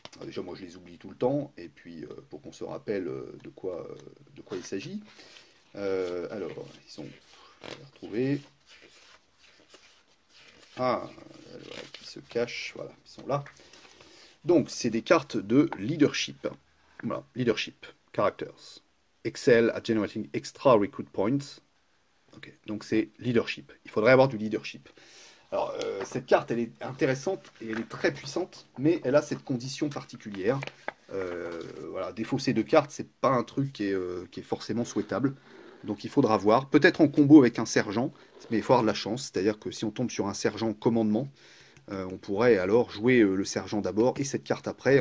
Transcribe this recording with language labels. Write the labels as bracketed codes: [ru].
[fr] Alors déjà, moi, je les oublie tout le temps. Et puis, pour qu'on se rappelle de quoi il s'agit. Alors, ils sont retrouvés. Ah, alors, qui se cachent. Voilà, ils sont là. Donc, c'est des cartes de leadership. [en] Voilà, leadership, characters. Excel at generating extra recruit points. [fr] Okay. Donc, c'est leadership. Il faudrait avoir du leadership. Alors, cette carte, elle est intéressante et elle est très puissante, mais elle a cette condition particulière. Voilà, défausser 2 cartes, c'est pas un truc qui est forcément souhaitable. Donc, il faudra voir. Peut-être en combo avec un sergent, mais il faut avoir de la chance. C'est-à-dire que si on tombe sur un sergent commandement, on pourrait alors jouer le sergent d'abord et cette carte après.